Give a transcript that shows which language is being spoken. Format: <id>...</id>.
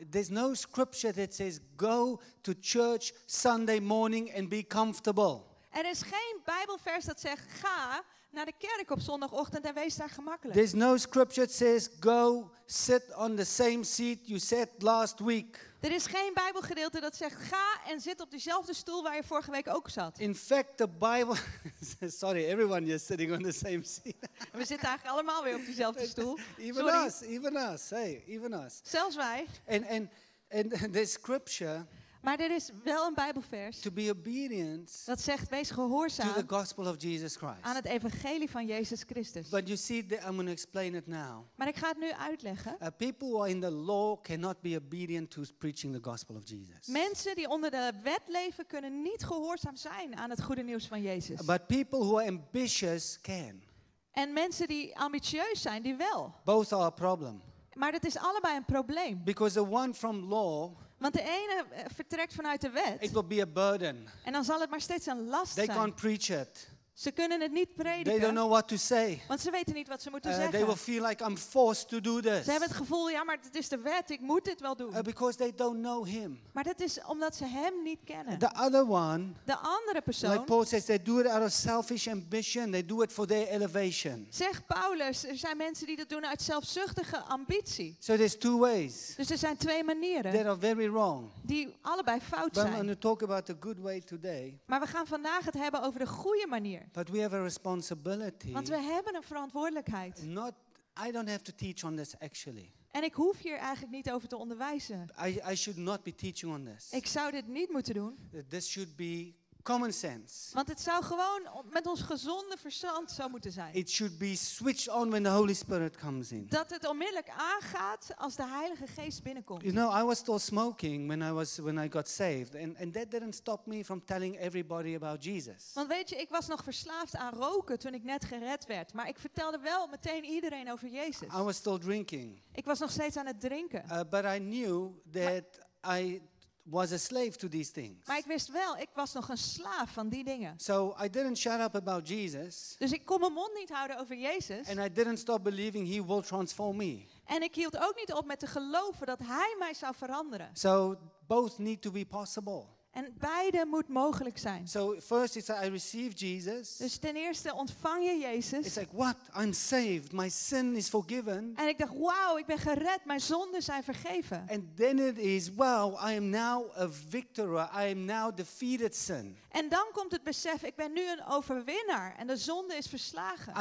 <en>There's no scripture that says go to church Sunday morning and be comfortable.</en> <nl>Er is geen Bijbelvers dat zegt ga naar de kerk op zondagochtend en wees daar gemakkelijk.</nl> <en>There's no scripture that says go sit on the same seat you sat last week.</en> <nl>Er is geen Bijbelgedeelte dat zegt ga en zit op dezelfde stoel waar je vorige week ook zat.</nl> <en>In fact, the Bible. Sorry, everyone is sitting on the same seat.</en> <nl>We zitten eigenlijk allemaal weer op dezelfde stoel.</nl> <en>Even sorry. Us, even us, hey, even us.</en> <nl>Zelfs wij.</nl> <en>And the scripture.</en> <nl>Maar er is wel een Bijbelvers.</nl> <en>To be obedient.</en> <nl>Dat zegt wees gehoorzaam.</nl> <en>To the gospel of Jesus Christ.</en> <nl>Aan het evangelie van Jezus Christus.</nl> <en>But you see, I'm going to explain it now.</en> <nl>Maar ik ga het nu uitleggen.</nl> <en>People who are in the law cannot be obedient to preaching the gospel of Jesus.</en> <nl>Mensen die onder de wet leven kunnen niet gehoorzaam zijn aan het goede nieuws van Jezus.</nl> <en>But people who are ambitious can.</en> <nl>En mensen die ambitieus zijn, die wel.</nl> <en>Both are a problem.</en> <nl>Maar dat is allebei een probleem.</nl> <en>Because the one from law.</en> <nl>Want de ene vertrekt vanuit de wet.</nl> <en>It will be a burden.</en> <nl>En dan zal het maar steeds een last</nl> <en>they</en> <nl>zijn.</nl> <en>They can't preach it.</en> <nl>Ze kunnen het niet prediken.</nl> <en>They don't know what to say.</en> <nl>Want ze weten niet wat ze moeten zeggen.</nl> <en>They will feel like I'm forced to do this.</en> <nl>Ze hebben het gevoel, ja, maar het is de wet, ik moet dit wel doen.</nl> <en>Because they don't know him.</en> <nl>Maar dat is omdat ze hem niet kennen.</nl> <en>The other one,</en> <nl>de andere persoon,</nl> <en>like Paul says, they do it out of selfish ambition. They do it for their elevation.</en> <nl>Zegt Paulus, er zijn mensen die dat doen uit zelfzuchtige ambitie.</nl> <en>So there's two ways.</en> <nl>Dus er zijn twee manieren.</nl> <en>That are very wrong.</en> <nl>Die allebei fout</nl> <en>But</en> <nl>zijn.</nl> <en>I'm going to talk about the good way today.</en> <nl>Maar we gaan vandaag het hebben over de goede manier.</nl> <en>But we have a responsibility.</en> <nl>Want we hebben een verantwoordelijkheid.</nl> <en>Not, I don't have to teach on this actually.</en> <nl>En ik hoef hier eigenlijk niet over te onderwijzen.</nl> <en>I should not be teaching on this.</en> <nl>Ik zou dit niet moeten doen.</nl> <en>This should be common sense.</en> <nl>Want het zou gewoon met ons gezonde verstand zo moeten zijn.</nl> <en>It should be switched on when the Holy Spirit comes in.</en> <nl>Dat het onmiddellijk aangaat als de Heilige Geest binnenkomt.</nl> <en>You know, I was still smoking when I got saved, and that didn't stop me from telling everybody about Jesus.</en> <nl>Want weet je, ik was nog verslaafd aan roken toen ik net gered werd, maar ik vertelde wel meteen iedereen over Jezus.</nl> <en>I was still drinking.</en> <nl>Ik was nog steeds aan het drinken.</nl> <en>But I knew that I was a slave to these things.</en> <nl>Maar ik wist wel, ik was nog een slaaf van die dingen.</nl> <en>So I didn't shut up about Jesus.</en> <nl>Dus ik kon mijn mond niet houden over Jezus.</nl> <en>And I didn't stop believing he will transform me.</en> <nl>En ik hield ook niet op met te geloven dat hij mij zou veranderen.</nl> <en>So both need to be possible.</en> <nl>En beide moet mogelijk zijn.</nl> <en>So first it's like I receive Jesus.</en> <nl>Dus ten eerste ontvang je Jezus.</nl> <en>It's like, what? I'm saved. My sin is forgiven.</en> <nl>En ik dacht, wauw, ik ben gered. Mijn zonden zijn vergeven.</nl> <en>And then it is, wow, I am now a victor. I am now defeated sin.</en> <nl>En dan komt het besef, ik ben nu een overwinnaar en de zonde is verslagen.</nl>